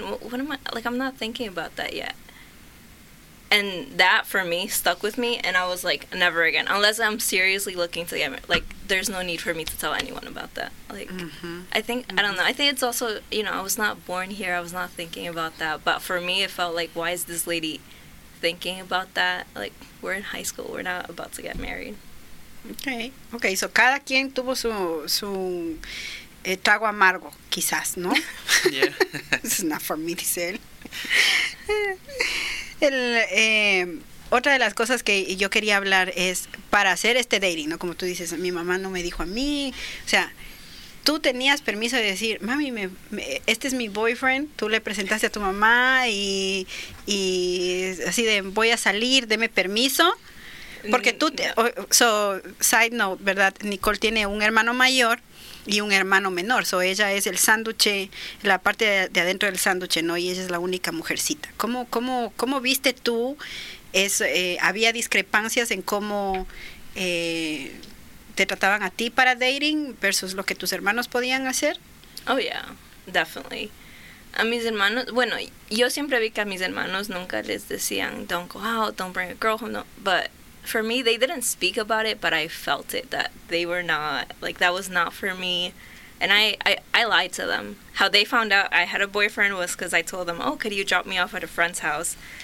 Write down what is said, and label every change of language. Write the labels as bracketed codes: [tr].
[en] What am I, like, I'm not thinking about that yet. And that, for me, stuck with me, and I was like, never again. Unless I'm seriously looking to get married. Like, there's no need for me to tell anyone about that. Like, mm-hmm. I think, mm-hmm. I don't know. I think it's also, you know, I was not born here. I was not thinking about that. But for me, it felt like, why is this lady thinking about that? Like, we're in high school. We're not about to get married. Okay. [es] So, cada quien tuvo su trago amargo, quizás, ¿no? [en] Yeah. This is not for me, dice él. [es] Otra de las cosas que yo quería hablar es para hacer este dating, ¿no? Como tú dices, mi mamá no me dijo a mí. O sea, tú tenías permiso de decir, mami, este es mi boyfriend, tú le presentaste a tu mamá y así de voy a salir, deme permiso. Porque tú, side note, ¿verdad? Nicole tiene un hermano mayor y un hermano menor. So, ella es el sánduche, la parte de adentro del sánduche, ¿no? Y ella es la única mujercita. ¿Cómo viste tú? ¿Había discrepancias en cómo te trataban a ti para dating versus lo que tus hermanos podían hacer? [en] Oh, yeah, definitely. A mis hermanos, bueno, yo siempre vi que a mis hermanos nunca les decían, don't go out, don't bring a girl home, no, but for me, they didn't speak about it, but I felt it, that they were not, like, that was not for me. And I lied to them. How they found out I had a boyfriend was because I told them, oh, could you drop me off at a friend's house?